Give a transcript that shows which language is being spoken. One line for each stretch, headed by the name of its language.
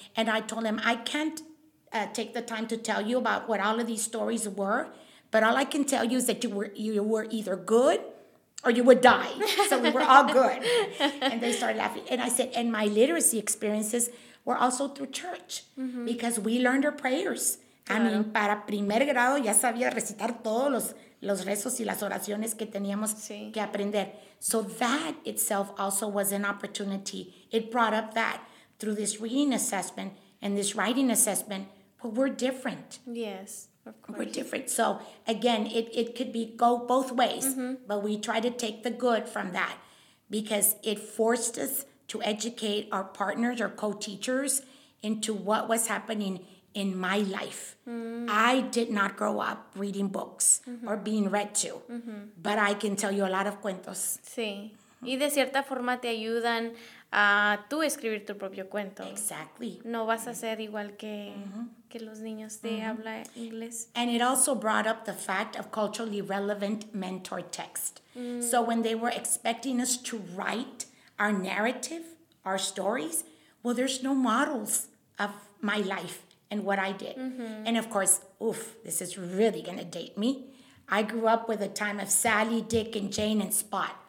English: And I told them, I can't take the time to tell you about what all of these stories were, but all I can tell you is that you were either good or you would die. So we were all good. And they started laughing. And I said, and my literacy experiences were also through church, mm-hmm, because we learned our prayers.
Spanish: Claro.
English: I mean,
Spanish: para primer grado ya sabía recitar todos los rezos y las oraciones que teníamos, sí, que aprender.
English: So that itself also was an opportunity. It brought up that through this reading assessment and this writing assessment, but we're different. Yes, of course. We're different. So again, it could be go both ways, mm-hmm, but we try to take the good from that because it forced us to educate our partners or co-teachers into what was happening in my life. Mm. I did not grow up reading books, mm-hmm, or being read to, mm-hmm, but I can tell you a lot of cuentos.
Spanish: Sí, y de cierta forma te ayudan a tú escribir tu propio cuento.
English: Exactly.
Spanish: No vas a ser igual que, mm-hmm, que los niños de, mm-hmm, habla inglés.
English: And it also brought up the fact of culturally relevant mentor text. Mm. So when they were expecting us to write our narrative, our stories, well, there's no models of my life and what I did. Mm-hmm. And of course, oof, this is really going to date me. I grew up with a time of Sally, Dick, and Jane, and Spot.